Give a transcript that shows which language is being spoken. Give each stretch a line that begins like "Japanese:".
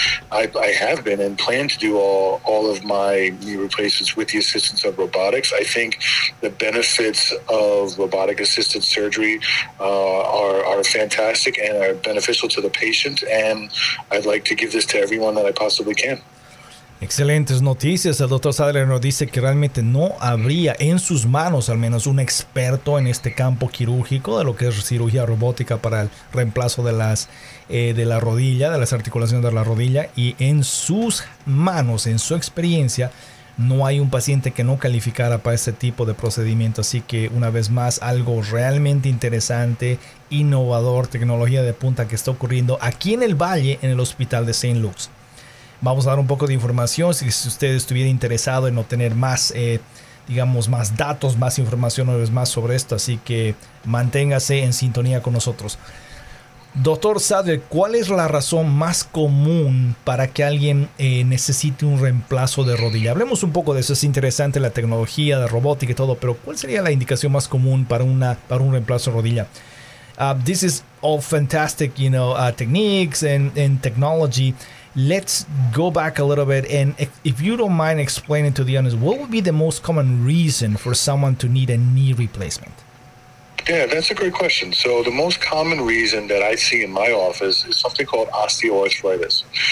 English: I plan to do all of my knee replacements with the assistance of robotics. I think the benefits of robotic-assisted surgery are fantastic and are beneficial to the patient, and I'd like to give this to everyone that I possibly can.
Spanish: Excelentes noticias. El doctor Sadler nos dice que realmente no habría en sus manos, al menos, un experto en este campo quirúrgico de lo que es cirugía robótica para el reemplazo de las de la rodilla, de las articulaciones de la rodilla. Y en sus manos, en su experiencia, no hay un paciente que no calificara para este tipo de procedimiento. Así que, una vez más, algo realmente interesante, innovador, tecnología de punta que está ocurriendo aquí en el Valle, en el Hospital de St. Luke's. Vamos a dar un poco de información. Si usted estuviera interesado en obtener más, digamos, más datos, más información, una vez más, sobre esto. Así que manténgase en sintonía con nosotros. Doctor Sadler, ¿cuál es la razón más común para que alguien necesite un reemplazo de rodilla? Hablemos un poco de eso. Es interesante la tecnología de robótica y todo, pero ¿cuál sería la indicación más común para una para un reemplazo de rodilla?
English: This is all fantastic, you know, techniques and technology. Let's go back a little bit, and if you don't mind explaining to the audience, what would be the most common reason for someone to need a knee replacement? Yeah, that's a great question. So the most common reason that I see in my office is something called osteoarthritis.